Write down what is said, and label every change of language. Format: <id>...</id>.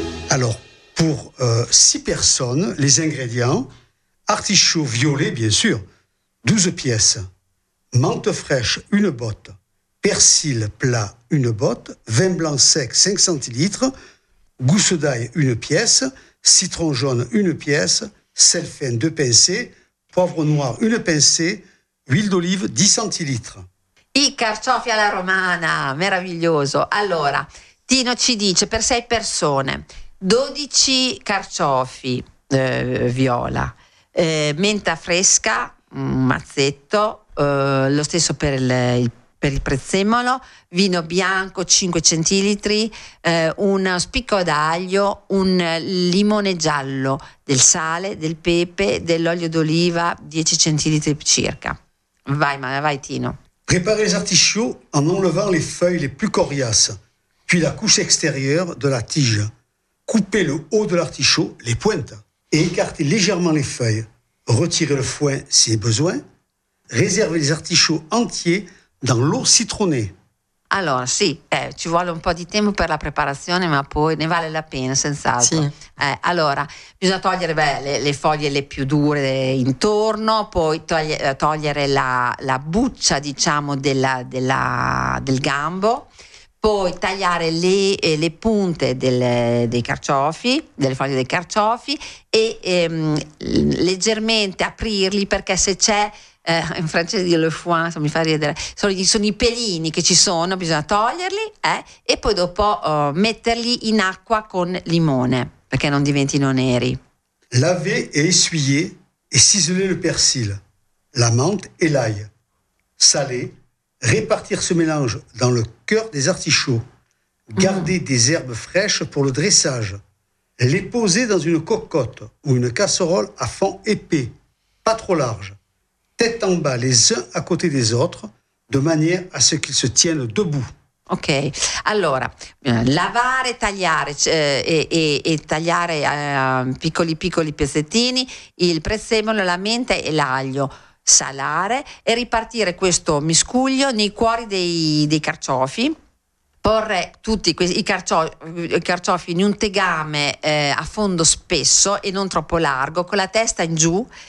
<fr>Alors, pour 6 personnes, les ingrédients, artichaut violet, bien sûr, 12 pièces, menthe fraîche, une botte, persil plat, une botte, vin blanc sec, 5 centilitres, gousse d'ail, une pièce, citron jaune, une pièce, sel fin, 2 pincées, poivre noir, une pincée, huile d'olive, 10 centilitres.</fr> <it>I carciofi alla romana, meraviglioso. Allora, Tino ci dice, per 6 persone... 12 carciofi viola, menta fresca, un mazzetto, lo stesso per il prezzemolo, vino bianco 5 centilitri, un spicco d'aglio, un limone giallo, del sale, del pepe, dell'olio d'oliva 10 centilitri circa. Vai Tino.</it> <fr>Prepare les artichauts en enlevant les feuilles les plus coriaces, puis la couche extérieure de la tige. Coupez le haut de l'artichaut, les pointes, et écartez légèrement les feuilles. Retirez le foin si besoin. Réservez les artichauts entiers dans l'eau citronnée.</fr> <it>Allora, sì, ci vuole un po' di tempo per la preparazione, ma poi ne vale la pena, senz'altro. Sì. Allora, bisogna togliere le foglie le più dure intorno, poi togliere la buccia, diciamo, del gambo. Poi tagliare le punte dei carciofi, delle foglie dei carciofi e leggermente aprirli, perché se c'è, in francese dire le foin, mi fa ridere, sono i pelini che ci sono, bisogna toglierli e poi dopo metterli in acqua con limone, perché non diventino neri.</it> <fr>Laver et essuyer et ciseler le persil, la menthe et l'ail, saler, Répartir ce mélange dans le cœur des artichauts. Garder des herbes fraîches pour le dressage. Les poser dans une cocotte ou une casserole à fond épais, pas trop large. Tête en bas, les uns à côté des autres, de manière à ce qu'ils se tiennent debout.</fr> <it>Ok, allora, lavare, tagliare e tagliare piccoli piccoli pezzettini il prezzemolo, la menta e l'aglio, salare e ripartire questo miscuglio nei cuori dei carciofi, porre tutti i carciofi in un tegame a fondo spesso e non troppo largo, con la testa in giù.</it>